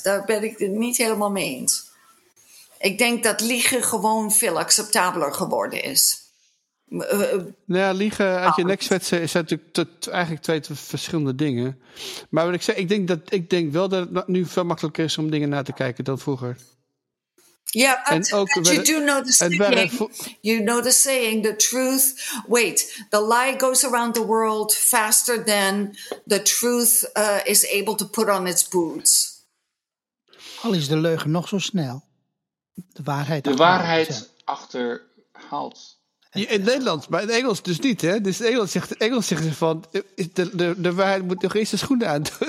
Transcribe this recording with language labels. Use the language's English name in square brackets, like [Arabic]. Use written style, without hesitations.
[Dutch] Daar ben ik het niet helemaal mee eens. Ik denk dat liegen gewoon veel acceptabeler geworden is. Nou ja, liegen uit je nek zwetsen zijn natuurlijk eigenlijk twee verschillende dingen. Maar wat ik zeg, ik denk wel dat het nu veel makkelijker is om dingen na te kijken dan vroeger. [English] Ja, you know the saying, the truth, wait, the lie goes around the world faster than the truth is able to put on its boots. [Dutch] Al is de leugen nog zo snel, de waarheid achterhaalt. Ja, in Nederland, maar in Engels dus niet, hè? Dus Engels zegt ze van, de waarheid moet nog eens zijn schoenen aan.